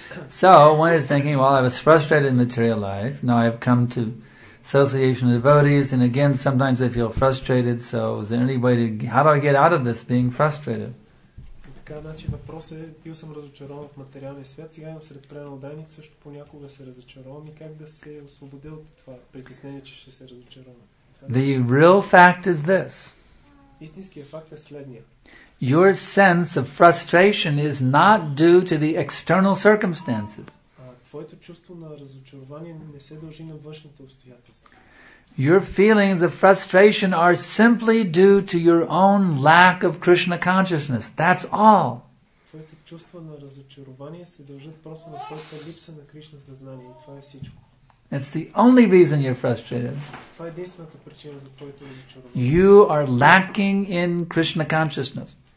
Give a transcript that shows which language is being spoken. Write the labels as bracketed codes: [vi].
[en] So one is thinking, well, I was frustrated in material life, now I've come to association of devotees, and again sometimes I feel frustrated, so is there any way to, how do I get out of this being frustrated? [bg] Така, значи въпросът е, бил съм разочарован в материалния свят, сега имам сред преданици, също понякога се разочаровам, и как да се освободя от това притеснение, че ще се разочаровам? [en] The real fact is this. [bg] Истинският факт е следния. [en] Your sense of frustration is not due to the external circumstances. [bg] Твоето чувство на разочарование не се дължи на външните обстоятелства. [en] Your feelings of frustration are simply due to your own lack of Krishna consciousness. That's all. [bg] Твоето чувство на разочарование се дължи просто на твоята липса на Кришна съзнание. Това е всичко. [en] That's the only reason you're frustrated. [bg] Това е единствената причина за твоето разочарование. [en] You are lacking in Krishna consciousness.